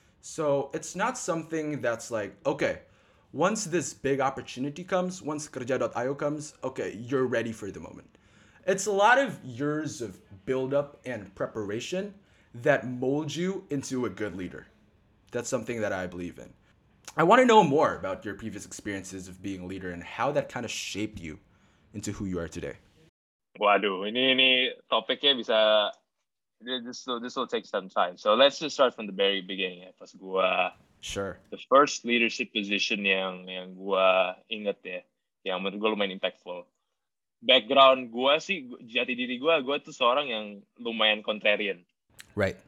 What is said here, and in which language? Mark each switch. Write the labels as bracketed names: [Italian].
[English] So it's not something that's like, okay, once this big opportunity comes, once kerja.io comes, okay, you're ready for the moment. It's a lot of years of buildup and preparation that mold you into a good leader. That's something that I believe in. I want to know more about your previous experiences of being a leader and how that kind of shaped you into who you are today. [Indonesian] Waduh, ini topiknya bisa... [English] This will take some time. So let's just start from the very beginning. [Indonesian] Ya. Pas gua, [English] sure. The first leadership position [Indonesian] yang gua ingat ya, yang menurut gua lumayan impactful. Background gua sih, jati diri gua tuh seorang yang lumayan contrarian. [English] Right.